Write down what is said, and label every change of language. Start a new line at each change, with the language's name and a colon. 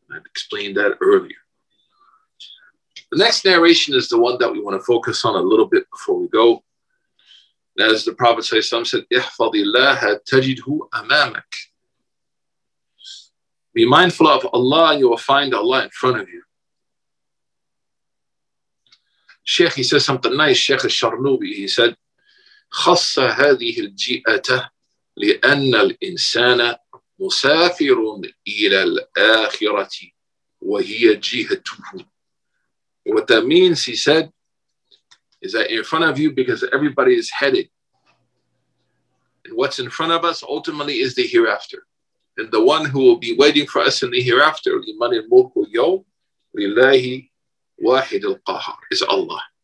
English: I explained that earlier. The next narration is the one that we want to focus on a little bit before we go. As the Prophet ﷺ said,
Arabic: ihfadhi allaha tajidhu amamak.
English: Be mindful of Allah and you will find Allah in front of you. Sheikh, he says something nice.
Arabic: Sheikh al-Sharnubi, he said, خَصَّ هَذِهِ الْجِئَةَ لِأَنَّ الْإِنسَانَ مُسَافِرٌ إِلَى الْآخِرَةِ وَهِيَ جِهَتُهُ.
English: What that means, he said, is that in front of you, because everybody is headed. And what's in front of us ultimately is the hereafter. And the one who will be waiting for us in the hereafter,
Arabic: لِمَنِ الْمُلْكُ الْيَوْمِ لِلَّهِ وَاحِدِ الْقَهَرِ,
English: is Allah.